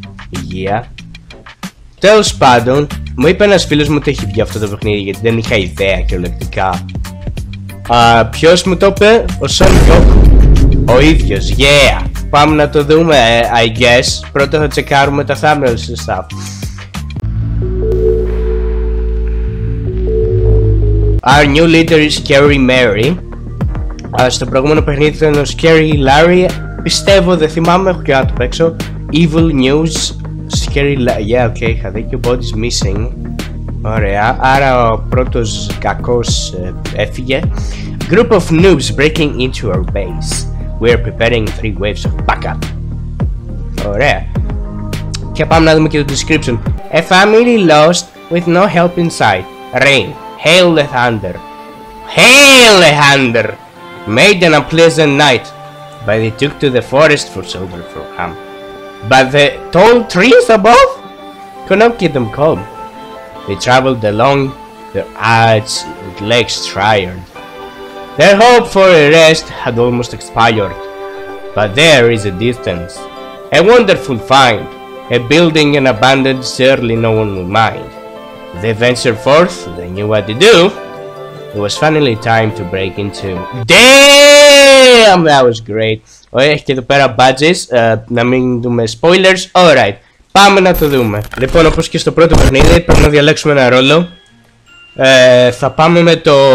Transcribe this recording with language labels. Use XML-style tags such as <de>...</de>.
<el>υγεία. Τέλος πάντων, μου είπε ένας φίλος μου ότι έχει βγει αυτό το παιχνίδι γιατί δεν είχα ιδέα κυριολεκτικά. Ποιος μου το είπε? Ο Sonic. Ο ίδιος,</el> <en>yeah!</en> <el>Πάμε να το δούμε,</el> <en>I guess.</en> <el>Πρώτα θα τσεκάρουμε τα thumbnails</el> <en>and stuff. Our new leader is Scary Mary.</en> <el>Στο προηγούμενο παιχνίδι ήταν ο Scary Larry. Πιστεύω, δεν θυμάμαι, έχω και να το παίξω.</el> <en>Evil News, Scary Larry. Yeah, okay,</en> <el>είχα δίκιο.</el> <en>Body's missing.</en> <el>Ωραία, άρα ο πρώτος κακός έφυγε.</el> <en>Group of noobs breaking into our base. We are preparing 3 waves of backup.</en> <el>Ωραία. Και πάμε να δούμε και το description.</el> <en>A family lost with no help in sight. Rain. Hail the thunder. Hail the thunder! Made an unpleasant night. But they took to the forest for silver for ham. But the tall trees above could not keep them calm. They traveled along their arms with legs tired. Their hope for a rest had almost expired. But there is a distance. A wonderful find. A building in abandoned, surely no one will mind. They ventured forth, they knew what to do. It was finally time to break into. Damn, that was great.</en> <el>Έχει και εδώ πέρα badges, να μην δούμε spoilers. Alright, πάμε να το δούμε. Λοιπόν, όπως και στο πρώτο παιχνίδι, πρέπει να διαλέξουμε ένα ρόλο. Θα πάμε με το...</el>